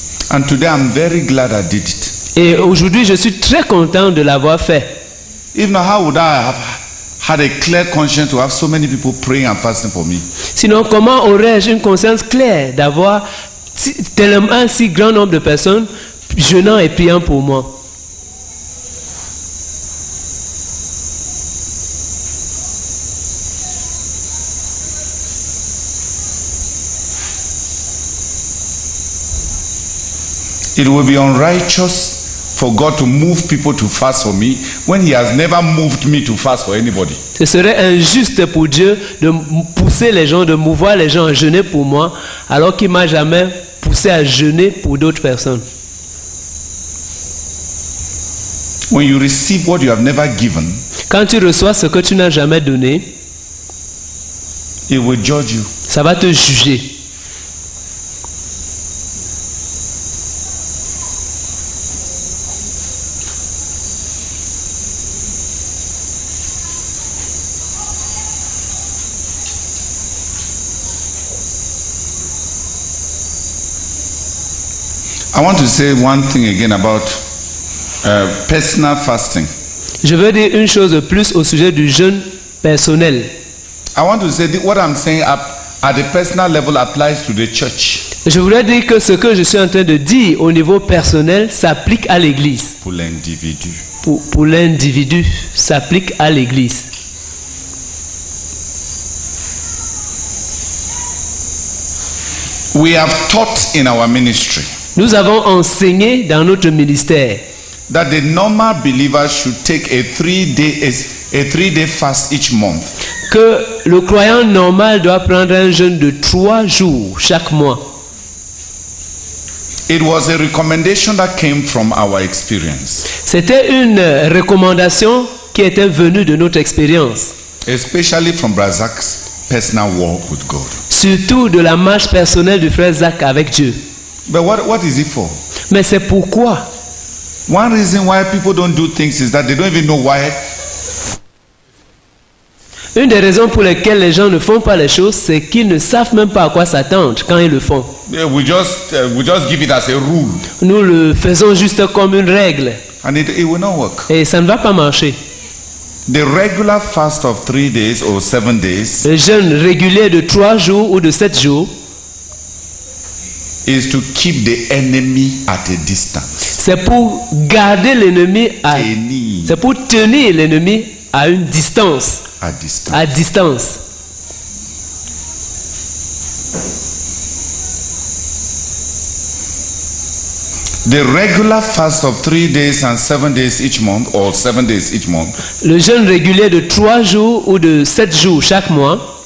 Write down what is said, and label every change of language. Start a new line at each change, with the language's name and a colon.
English: And today I'm very glad I did it.
French: Et aujourd'hui, je suis très content de l'avoir fait.
English: If not, how would I have had a clear conscience to have so many people praying and fasting for me?
French: Sinon, comment aurais-je une conscience claire d'avoir tellement si grand nombre de personnes jeûnant et priant pour moi?
English: It will be unrighteous for God to move people to fast for me when He has never moved me to fast for anybody.
French: Ce serait injuste pour Dieu de pousser les gens, de mouvoir les gens à jeûner pour moi, alors qu'il m'a jamais poussé à jeûner pour d'autres personnes.
English: When you receive what you have never given,
French: quand tu reçois ce que tu n'as jamais donné,
English: It will judge you.
French: Ça va te juger.
English: I want to say one thing again about personal fasting.
French: Je veux dire une chose de plus au sujet du jeûne personnel.
English: I want to say what I'm saying at the personal level applies to the church.
French: Je voudrais dire que ce que je suis en train de dire au niveau personnel s'applique à l'église. Pour l'individu. Pour l'individu s'applique à l'église.
English: We have taught in our ministry.
French: Nous avons enseigné dans notre ministère
English: that the normal believer should take a three day fast each month.
French: Que le croyant normal doit prendre un jeûne de 3 jours chaque mois.
English: It was a recommendation that came from our experience.
French: C'était une recommandation qui était venue de notre expérience.
English: Especially from Brother Zach's personal walk with God.
French: Surtout de la marche personnelle du frère Zach avec Dieu.
English: But what is it for?
French: Mais c'est pourquoi?
English: One reason why people don't do things is that they don't even know why.
French: Une des raisons pour lesquelles les gens ne font pas les choses, c'est qu'ils ne savent même pas à quoi s'attendre quand ils le font.
English: Yeah, we just give it as a rule.
French: Nous le faisons juste comme une règle.
English: And it will not work.
French: Et ça ne va pas marcher.
English: The regular fast of 3 days or 7 days.
French: Le jeûne régulier de 3 jours ou de 7 jours.
English: Is to keep the enemy at a distance.
French: C'est pour garder l'ennemi à. Tenir. C'est pour tenir l'ennemi à une distance. À distance. À distance.
English: The regular fast of 3 days and 7 days each month, or 7 days each month.
French: Le jeûne régulier de 3 jours ou de 7 jours chaque mois.